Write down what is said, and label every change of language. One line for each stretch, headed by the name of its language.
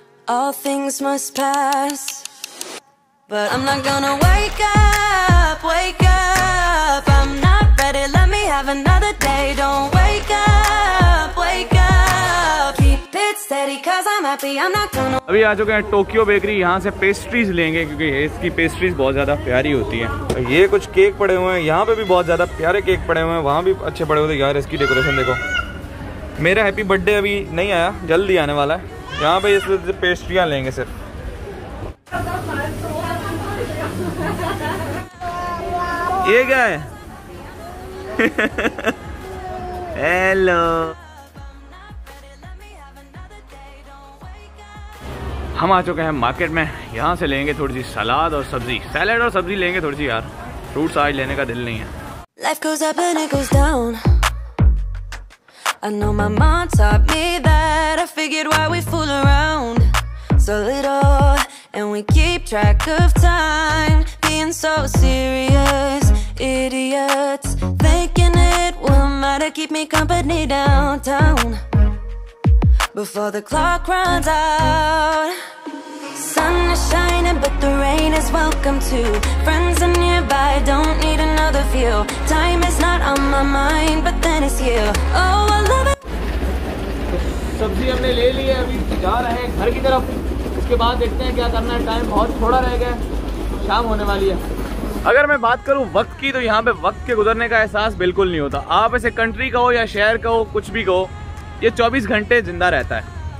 English: All things must pass, but I'm not gonna wake up, wake up, I'm not ready, let me have another day, don't wake up, wake up, keep it steady, cause I'm happy, I'm not gonna...
Hindi: अभी आ चुके हैं Tokyo bakery, यहाँ से pastries लेंगे क्योंकि इसकी pastries बहुत ज्यादा प्यारी होती है। ये कुछ केक पड़े हुए हैं, यहाँ पे भी बहुत ज्यादा प्यारे केक पड़े हुए हैं, वहाँ भी अच्छे पड़े हुए थे। यार इसकी डेकोरेशन देखो, मेरा हैप्पी बर्थडे अभी नहीं आया, जल्दी आने वाला है। यहाँ पे इसलिए पेस्ट्रियाँ लेंगे सिर्फ। ये क्या है? हेलो हम आ चुके हैं मार्केट में, यहाँ से लेंगे थोड़ी सी सलाद और सब्जी, सैलेड और सब्जी लेंगे थोड़ी सी, यार फ्रूट्स आज लेने का दिल नहीं है।
English: Life goes up and it goes down. I know my mom taught me that, I figured why we fool around so little, and we keep track of time, being so serious, idiots, thinking it will matter, keep me company downtown, before the clock runs out. Sun is shining but the rain is welcome too, friends are nearby, don't need another view, time is not on my mind but then it's you, oh I love it.
Hindi: सब्जी हमने ले ली है, अभी जा रहे हैं घर की तरफ, उसके बाद देखते हैं क्या करना है, टाइम बहुत थोड़ा रह गया है, शाम होने वाली है। अगर मैं बात करूं वक्त की तो यहाँ पे वक्त के गुजरने का एहसास बिल्कुल नहीं होता। आप इसे कंट्री कहो या शहर कहो, कुछ भी कहो, ये 24 घंटे जिंदा रहता है।